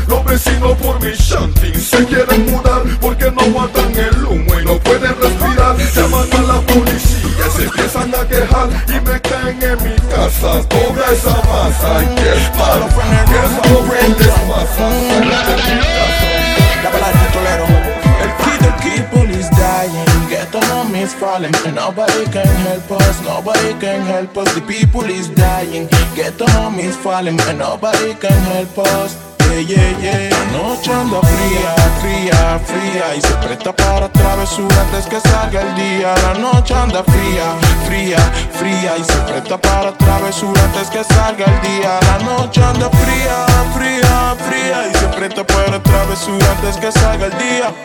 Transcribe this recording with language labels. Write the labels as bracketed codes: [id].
[es] Los vecinos por mi shanting se quieren mudar porque no aguantan el humo y no pueden respirar. Llaman a la policía, se empiezan a quejar y me caen en mi casa. Toda esa masa, que es malo, que es malo, que es masa. [en] Is falling and nobody can help us, nobody can help us. The people is dying, ghetto homie is falling and nobody can help us. Yeah, yeah, yeah. [es] Noche ando fría, fría, fría. Y se presta para travesura antes que salga el día. La noche anda fría, fría, fría. Y se presta para travesura antes que salga el día. La noche anda fría, fría, fría. Y se presta para travesura antes que salga el día.